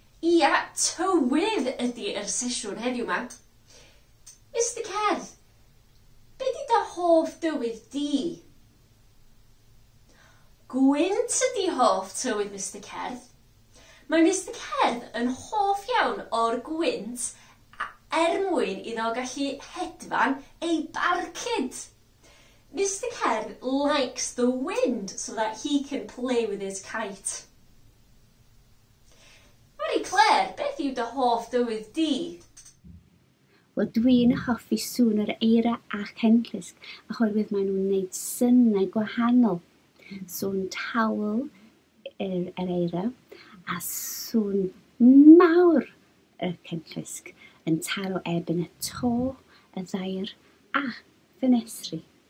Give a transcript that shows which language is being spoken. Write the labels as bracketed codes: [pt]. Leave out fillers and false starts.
[cy] Ia, tywydd ydi yr sesiwn heddiw yma. Mr Cerdd, be di dy hoff dywydd di? Gwynt ydi hoff tywydd Mr Cerdd. Mae Mr Cerdd yn hoff iawn o'r gwynt er mwyn iddo gallu hedfan ei barcud. [en] Mr Cerdd likes the wind so that he can play with his kite. [cy] Mary Claire, beth yw dy hoff dywydd di? Wel, dwi'n hoffi sŵn yr eira ac enllysg achorwydd maen nhw'n gwneud synnau gwahanol. Sŵn tawel yr eira a sŵn mawr y cenllysg yn taro ebyn y to, y ddair a ffenestri.